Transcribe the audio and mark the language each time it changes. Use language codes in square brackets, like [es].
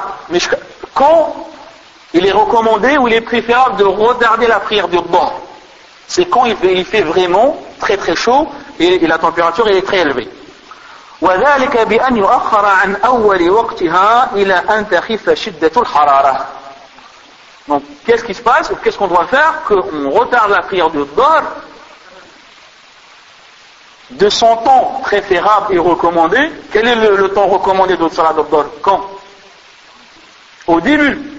[fr] Mais quand il est recommandé ou il est préférable de retarder la prière du Dhuha, c'est quand il fait vraiment très très chaud et la température est très élevée. [ar] وذلك بأن يؤخر عن أول وقتها إلى أن تخف شدة الحرارة. [fr] Donc qu'est-ce qui se passe ou qu'est-ce qu'on doit faire qu'on retarde la prière du Dhuha de son temps préférable et recommandé? Quel est le temps recommandé de Salat al-Dhuhr? Quand? Au début.